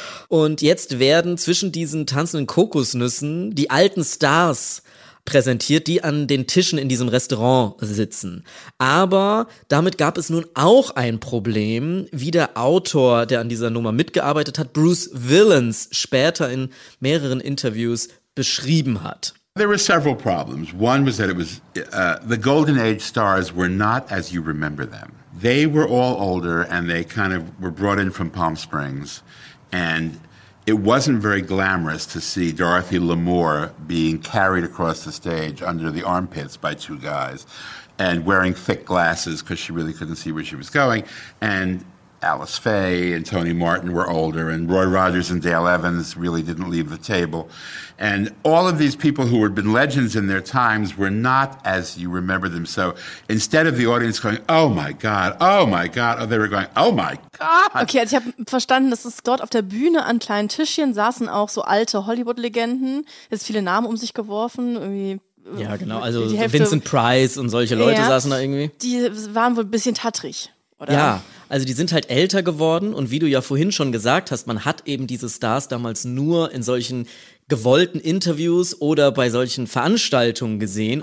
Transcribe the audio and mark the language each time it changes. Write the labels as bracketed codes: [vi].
[de] Und jetzt werden zwischen diesen tanzenden Kokosnüssen die alten Stars präsentiert, die an den Tischen in diesem Restaurant sitzen. Aber damit gab es nun auch ein Problem, wie der Autor, der an dieser Nummer mitgearbeitet hat, Bruce Willens, später in mehreren Interviews beschrieben hat. [en] There were several problems. One was that it was the Golden Age stars were not as you remember them. They were all older and they kind of were brought in from Palm Springs and it wasn't very glamorous to see Dorothy L'Amour being carried across the stage under the armpits by two guys and wearing thick glasses because she really couldn't see where she was going. And Alice Faye and Tony Martin were older and Roy Rogers and Dale Evans really didn't leave the table. And all of these people who had been legends in their times were not as you remember them. So instead of the audience going, oh my God, oh my God, oh, they were going, oh my God. [de] Okay, also ich habe verstanden, dass es dort auf der Bühne an kleinen Tischchen saßen auch so alte Hollywood-Legenden. Es ist viele Namen um sich geworfen, irgendwie. Ja, genau, also Hälfte, Vincent Price und solche Leute, ja, saßen da irgendwie. Die waren wohl ein bisschen tattrig, oder? Ja, also die sind halt älter geworden und wie du ja vorhin schon gesagt hast, man hat eben diese Stars damals nur in solchen gewollten Interviews oder bei solchen Veranstaltungen gesehen.